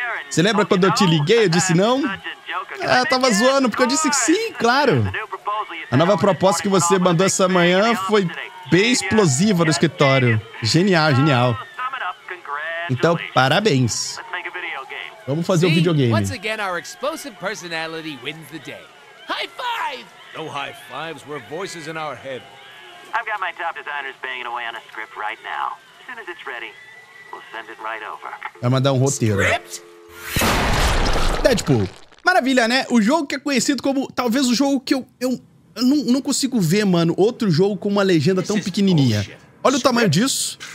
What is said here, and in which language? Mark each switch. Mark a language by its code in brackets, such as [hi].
[pt] Você lembra quando eu te liguei e eu disse não? Ah, tava zoando, porque eu disse que sim, claro. A nova proposta que você mandou essa manhã foi bem explosiva no escritório. Genial, genial. Então, parabéns. Vamos fazer um videogame. [en] Once again, our explosive personality wins the day. High five! No high fives, we're voices in our head. I've got my top designers banging away on a script right now. As soon as it's ready, we'll send it right over. [pt] Vai mandar um roteiro. Deadpool. Maravilha, né? O jogo que é conhecido como... Talvez o jogo que eu não consigo ver, mano, outro jogo com uma legenda tão pequenininha. Olha o tamanho disso.